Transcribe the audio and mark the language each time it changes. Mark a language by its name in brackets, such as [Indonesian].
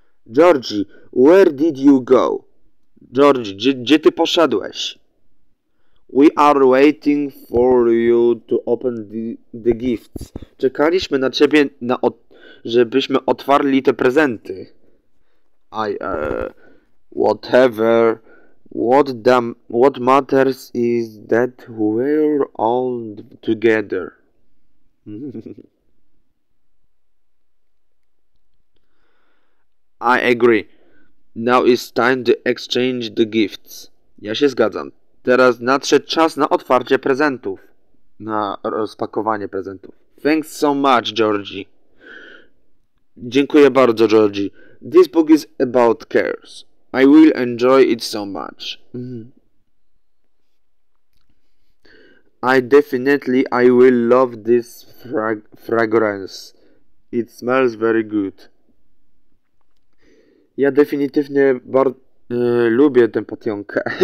[English] Georgie, where did you go? [Polish] Georgie, gdzie ty poszedłeś? [English] We are waiting for you to open the gifts. [Polish] Czekaliśmy na ciebie, żebyśmy otwarli te prezenty. [English] Whatever. What matters is that we're all together. I agree. Now is time to exchange the gifts. [Polish] Ja się zgadzam. Teraz nadszedł czas na otwarcie prezentów. Na rozpakowanie prezentów. [English] Thanks so much, Georgie. [Polish] Dziękuję bardzo, [English] Georgie. This book is about cares. I will enjoy it so much. I definitely I will love this fragrance. It smells very good. [Polish] Ja definitywnie bardzo lubię tę patjonkę.